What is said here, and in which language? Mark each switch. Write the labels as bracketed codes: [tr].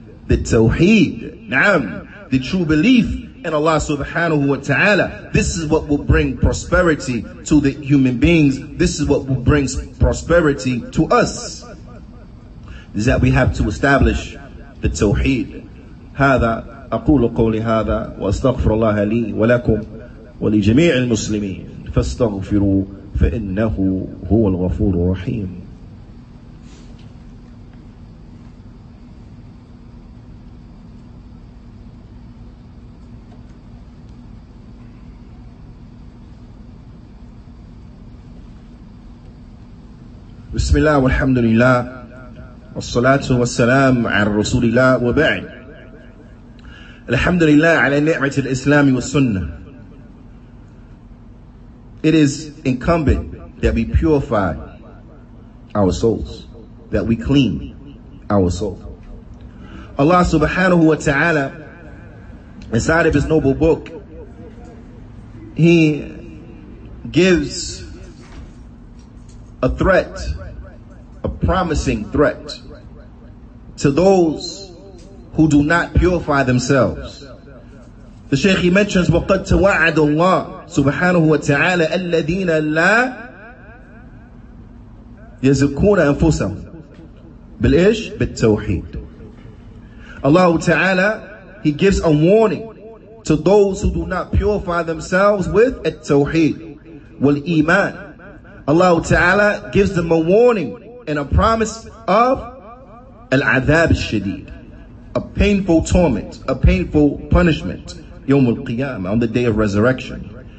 [en] The tawheed. Naam. The true belief in Allah subhanahu wa ta'ala. This is what will bring prosperity to the human beings. This is what will bring prosperity to us. Is that we have to establish the tawheed. [ar] هذا أقول قولي هذا وأستغفر الله لي ولكم ولجميع المسلمين فاستغفروا فإنه هو الغفور الرحيم. بسم الله والحمد لله والصلاة والسلام على رسول الله وبعد الحمد لله على نعمة الإسلام والسنة. [en] It is incumbent that we purify our souls, that we clean our soul. Allah subhanahu wa ta'ala, inside of his noble book, he gives a threat, a promising threat, to those who do not purify themselves. The Shaykh, he mentions, [ar] وَقَدْ تَوَعَدُ اللَّهِ سُبْحَانَهُ وَتَعَالَى أَلَّذِينَ لَا يَزِكُونَ أَنفُسَهُمْ بِالْإِشْ بِالْتَوْحِيدِ. [en] Allah Ta'ala, he gives a warning to those who do not purify themselves with [ar] التوحيد والإيمان. [en] Allah Ta'ala gives them a warning and a promise of al-adhab al-shadid, a painful torment, a painful punishment, yawm al-qiyamah, on the day of resurrection.